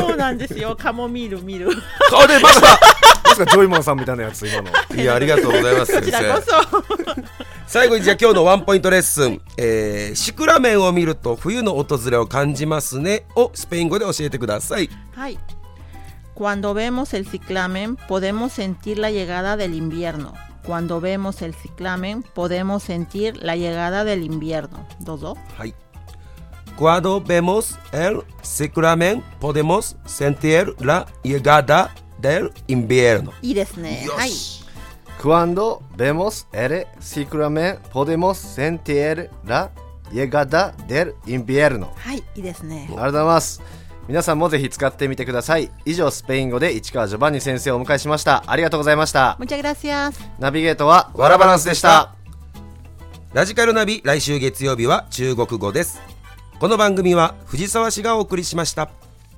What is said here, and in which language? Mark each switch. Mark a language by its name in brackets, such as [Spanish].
[Japanese] そうなんですよ、カモミール見る。あれ、まさかジョイマンさんみたいなやつ今の。いや、ありがとうございます先生。こちらこそ。最後にじゃあ今日のワンポイントレッスン、シクラメンを見ると冬の訪れを感じますねをスペイン語で教えてください。 [Spanish] はい、 Cuando vemos el ciclamen podemos sentir la llegada del invierno. Cuando vemos el ciclamen podemos sentir la llegada del invierno. [Japanese] どうぞ。 [Spanish] はい、 Cuando vemos el ciclamen podemos sentir la llegada del invierno. [Japanese] いいですね。よし、はい、 [Spanish] Cuando vemos el ciclamen podemos sentir la llegada del invierno. [Japanese] はい、いいですね。ありがとうございます。皆さんもぜひ使ってみてください。以上、スペイン語で市川ジョバンニ先生をお迎えしました。ありがとうございました。 [Spanish] Muchas gracias. [Japanese] ナビゲートはワラバランスでした。ラジカルナビ、来週月曜日は中国語です。この番組は藤沢市がお送りしました。